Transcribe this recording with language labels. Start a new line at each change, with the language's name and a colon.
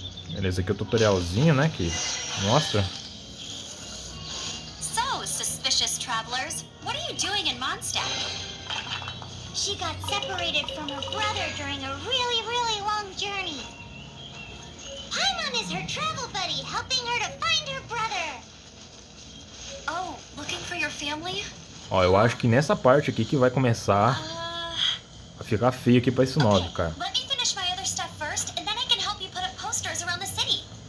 Portuguese: Beleza, aqui é o tutorialzinho, né, que mostra.
English: So, suspicious travelers, what are you doing in Mondstadt? She got separated from her brother during a really, really long journey. Paimon is her travel buddy, helping her to find her brother. Oh, looking for your family?
Portuguese: Ó, eu acho que nessa parte aqui que vai começar a ficar feio aqui pra esse nove, cara.
English: Let me finish my other stuff first, and then I can help you put up posters around the city.